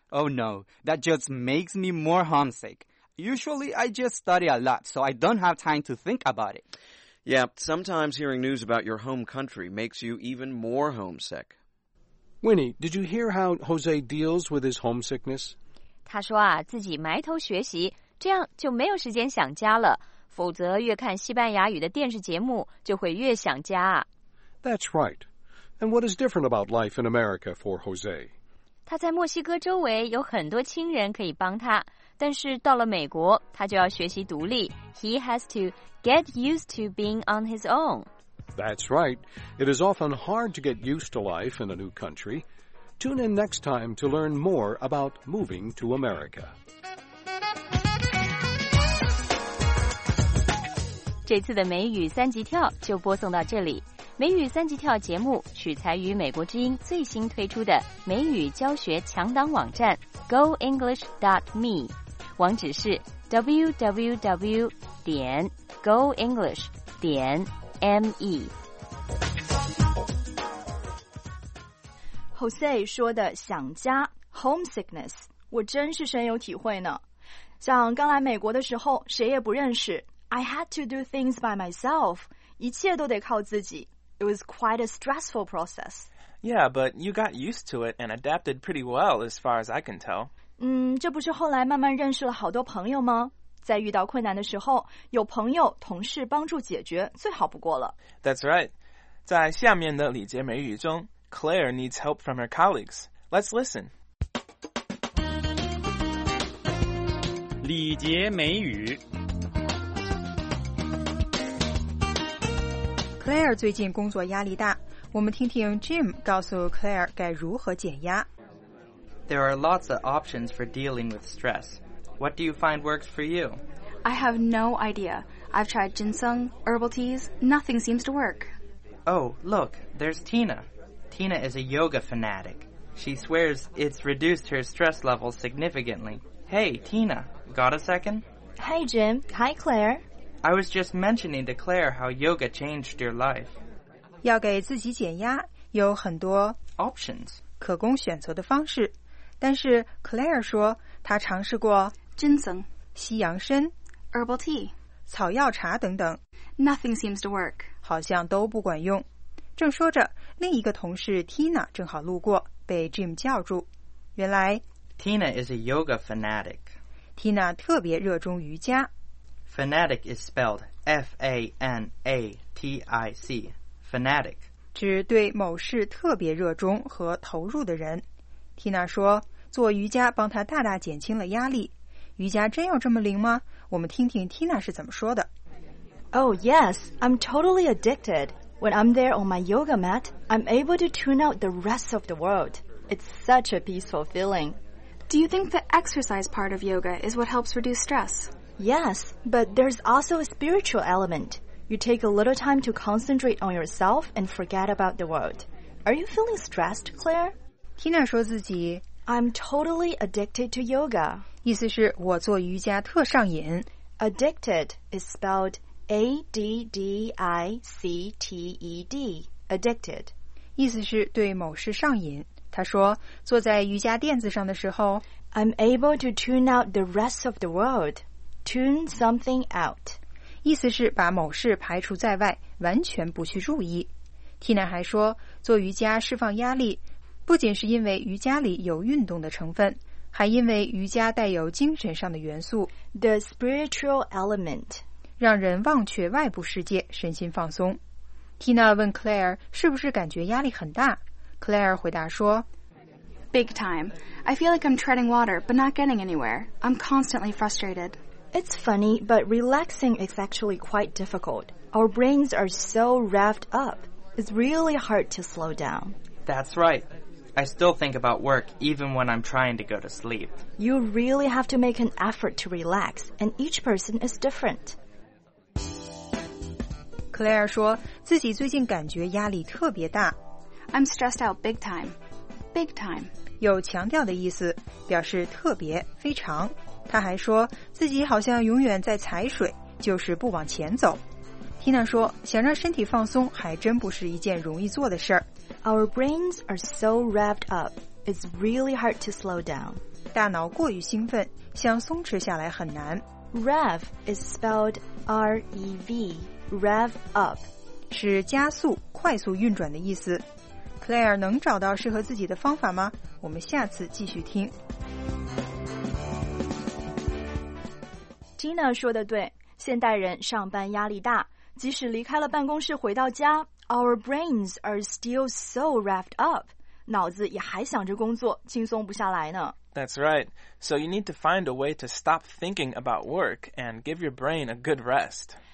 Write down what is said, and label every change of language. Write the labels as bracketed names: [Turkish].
[English] Oh no, that just makes me more homesick. Usually I just study a lot, so I don't have time to think about it. Yeah, sometimes hearing news about your home country makes you even more homesick. Winnie, did you hear how Jose deals with his homesickness? [Chinese] 他说啊，自己埋头学习，这样就没有时间想家了。否则越看西班牙语的电视节目就会越想家。 [English] That's right. And what is different about life in America for Jose? [Chinese] 他在墨西哥周围有很多亲人可以帮他，但是到了美国，他就要学习独立。 [English] He has to get used to being on his own. That's right. It is often hard to get used to life in a new country. Tune in next time to learn more about moving to America. [Chinese] 这次的美语三级跳就播送到这里。美语三级跳节目取材于美国之音最新推出的美语教学强档网站 goenglish.me， 网址是 www.goenglish.me。 Jose 说的想家 homesickness， 我真是深有体会呢。像刚来美国的时候谁也不认识， [English] I had to do things by myself. [Chinese] 一切都得靠自己。 [English] It was quite a stressful process. Yeah, but you got used to it and adapted pretty well, as far as I can tell. [Chinese] 这不是后来慢慢认识了好多朋友吗？在遇到困难的时候，有朋友、同事帮助解决，最好不过了。 [English] That's right. [Chinese] 在下面的礼节美语中 [English] ，Claire needs help from her colleagues. Let's listen. [Chinese] 礼节美语。 Claire 最近工作压力大，我们听听 Jim 告诉 Claire 该如何减压。 [English] There are lots of options for dealing with stress. What do you find works for you? I have no idea. I've tried ginseng, herbal teas, nothing seems to work. Oh, look, there's Tina. Tina is a yoga fanatic. She swears it's reduced her stress levels significantly. Hey, Tina, got a second? Hey, Jim. Hi, Claire. I was just mentioning to Claire how yoga changed your life. [Chinese] 要给自己减压，有很多 [English] options [Chinese] 可供选择的方式。但是 Claire 说，她尝试过 [English] ginseng [Chinese] 西洋参 [English] herbal tea [Chinese] 草药茶等等 [English] ，nothing seems to work， [Chinese] 好像都不管用。正说着，另一个同事 Tina 正好路过，被 Jim 叫住。原来 [English] Tina is a yoga fanatic. [Chinese] Tina 特别热衷瑜伽。 [English] Fanatic is spelled F-A-N-A-T-I-C, fanatic. [Chinese] 指对某事特别热衷和投入的人。 Tina 说，做瑜伽帮她大大减轻了压力。瑜伽真有这么灵吗？我们听听 Tina 是怎么说的。 [English] Oh yes, I'm totally addicted. When I'm there on my yoga mat, I'm able to tune out the rest of the world. It's such a peaceful feeling. Do you think the exercise part of yoga is what helps reduce stress? Yes, but there's also a spiritual element. You take a little time to concentrate on yourself and forget about the world. Are you feeling stressed, Claire? [Chinese] Tina 说自己 [English] I'm totally addicted to yoga. [Chinese] 意思是我做瑜伽特上瘾。 [English] Addicted is spelled A-D-D-I-C-T-E-D. Addicted. [Chinese] 意思是对某事上瘾。她说坐在瑜伽垫子上的时候 [English] I'm able to tune out the rest of the world. Tune something out. [Chinese] 意思是把某事排除在外，完全不去注意。 Tina 还说，做瑜伽释放压力，不仅是因为瑜伽里有运动的成分，还因为瑜伽带有精神上的元素。 [English] The spiritual element. [Chinese] 让人忘却外部世界，身心放松。Tina 问 Claire 是不是感觉压力很大。 Claire 回答说 [English] Big time. I feel like I'm treading water, but not getting anywhere. I'm constantly frustrated. It's funny, but relaxing is actually quite difficult. Our brains are so revved up. It's really hard to slow down. That's right. I still think about work even when I'm trying to go to sleep. You really have to make an effort to relax, and each person is different. [Chinese] Claire 说自己最近感觉压力特别大。 [English] I'm stressed out big time. Big time. [Chinese] 有强调的意思，表示特别，非常。她还说自己好像永远在踩水，就是不往前走。 Tina 说想让身体放松还真不是一件容易做的事儿。 [English] Our brains are so revved up, it's really hard to slow down. [Chinese] 大脑过于兴奋，想松弛下来很难。 [English] Rev is spelled R-E-V, rev up. [Chinese] 是加速、快速运转的意思。Claire 能找到适合自己的方法吗？我们下次继续听。 Tina 说的对，现代人上班压力大，即使离开了办公室回到家， [English] Our brains are still so wrapped up. [Chinese] 脑子也还想着工作，轻松不下来呢。 [English] That's right. So you need to find a way to stop thinking about work and give your brain a good rest.